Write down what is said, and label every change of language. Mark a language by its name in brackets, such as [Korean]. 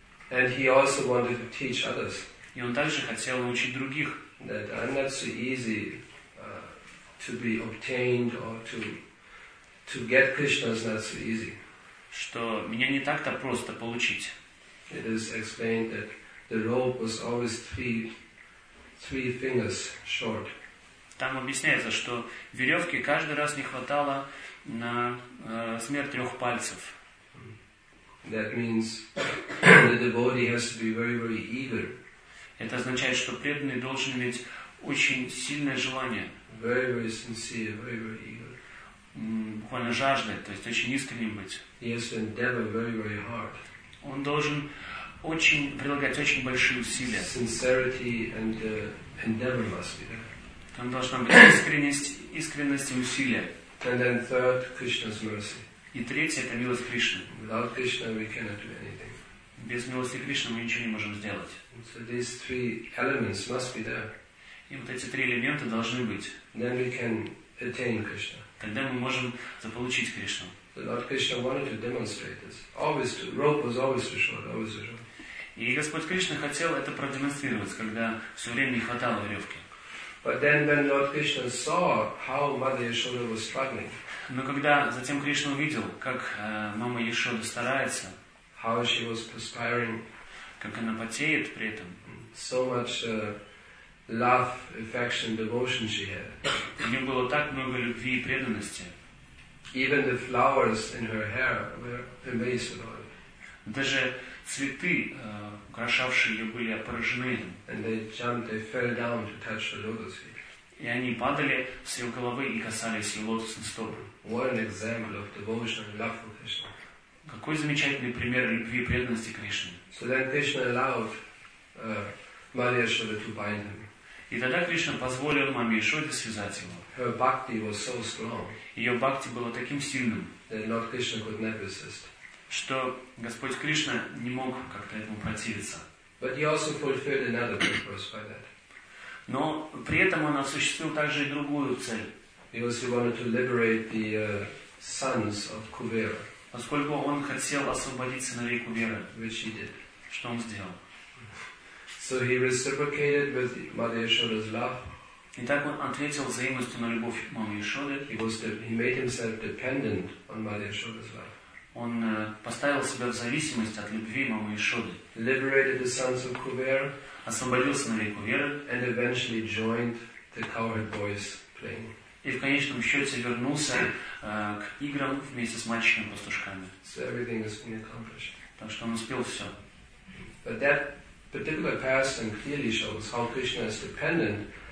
[English] And he also wanted to teach others. [Russian] И он также хотел научить других. [English] That I'm not so easy to be obtained or to get Krishna is not so easy. [Russian] Что меня не так-то просто получить. [English] It is explained that the rope was always three fingers short. [Russian] Там объясняется, что веревки каждый раз не хватало на размер трех пальцев. [English] That means the devotee has to be very, very eager. [Russian] Это означает, что преданный должен иметь очень сильное желание. [English] Very, very sincere, very, very eager. [Russian] Буквально жаждать, то есть очень искренним быть. [English] Yes, endeavor very, very hard. [Russian] Он должен очень прилагать очень большие усилия. [English] Sincerity and endeavor must be there. [Russian] Там должна быть искренность и усилия. [English] And then third, Krishna's mercy. [Russian] И третье, это милость Кришны. [English] Without Krishna we cannot do anything. [Russian] Без милости Кришны мы ничего не можем сделать. [English] So these three elements must be there. [Russian] И вот эти три элемента должны быть. [English] Then we can attain Krishna. [Russian] Тогда мы можем заполучить Кришну. [English] Lord Krishna wanted to demonstrate this. Always, the rope was always too short, always too short. [Russian] И Господь Кришна хотел это продемонстрировать, когда все время не хватало веревки. [English] But then, when Lord Krishna saw how Mother Yashoda was struggling. [Russian] Но когда затем Кришна увидел, как мама Яшода старается. [English] How she was perspiring. [Russian] Как она потеет при этом. [English] So much. Love, affection, devotion she had. [Russian] У нее было так много любви и преданности. [English] Even the flowers in her hair were amazed by it. [Russian] Даже цветы, украшавшие ее, были поражены. [English] And they jumped, they fell down to touch the lotus feet. [Russian] И они падали с ее головы и касались ее лотосных стоп. [English] What an example of devotion and love for Krishna. [Russian] Какой замечательный пример любви и преданности Кришне. [English] So then Krishna allowed Mother Yashoda to bind him. [Russian] И тогда Кришна позволил маме Яшоде связать его. [English] Her bhakti was so strong. [Russian] Ее бхакти было таким сильным, [English] that Lord Krishna could not resist. [Russian] Что Господь Кришна не мог как-то этому противиться. [English] But he also fulfilled another purpose by that. [Russian] Но при этом он осуществил также и другую цель. [English] Because he wanted to liberate the sons of Kuvera. [Russian] Поскольку он хотел освободить сыновей Кувера. [English] Which he did. [Russian] Что он сделал? [English] So he reciprocated with Mother Yashoda's love. [Russian] И так он ответил взаимностью на любовь мамы Яшоды. [English] He made himself dependent on Mother Yashoda's love. [Russian] Он поставил себя в зависимость от любви мамы Яшоды. [English] Liberated the sons of Kuvera. [Russian] Освободил сыновей Кувера. [English] And eventually joined the cowherd boys playing. [Russian] И в конечном счете вернулся к играм вместе с мальчиками-пастушками. [English] So everything has been accomplished. [Russian] Так что он успел все. [English] But that particular pastime clearly shows how Krishna is dependent